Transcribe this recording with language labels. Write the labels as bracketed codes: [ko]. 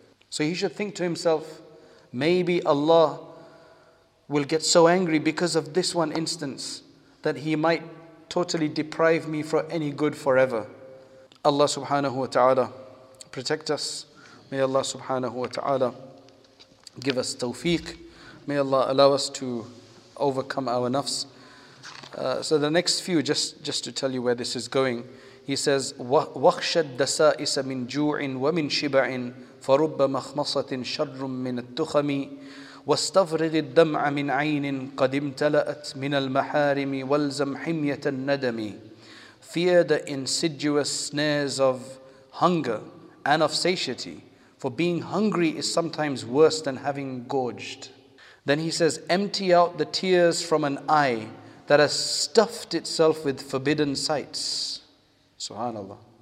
[en] So he should think to himself, maybe Allah will get so angry because of this one instance that he might totally deprive me from any good forever. Allah subhanahu wa ta'ala protect us. May Allah subhanahu wa ta'ala give us tawfiq. May Allah allow us to overcome our nafs. So the next few, just to tell you where this is going, he says, [ar] وَخْشَدْ دَسَائِسَ مِنْ جُوعٍ وَمِنْ شِبَعٍ فَرُبَّ مَخْمَصَةٍ شَرٌّ مِنَ التُّخَمِ وَاسْتَفْرِغِ الدَّمْعَ مِنْ عَيْنٍ قَدْ امْتَلَأَتْ مِنَ الْمَحَارِمِ وَالْزَمْ حِمْيَةَ النَّدَمِ. [en] Fear the insidious snares of hunger and of satiety, for being hungry is sometimes worse than having gorged. Then he says, empty out the tears from an eye that has stuffed itself with forbidden sights. SubhanAllah.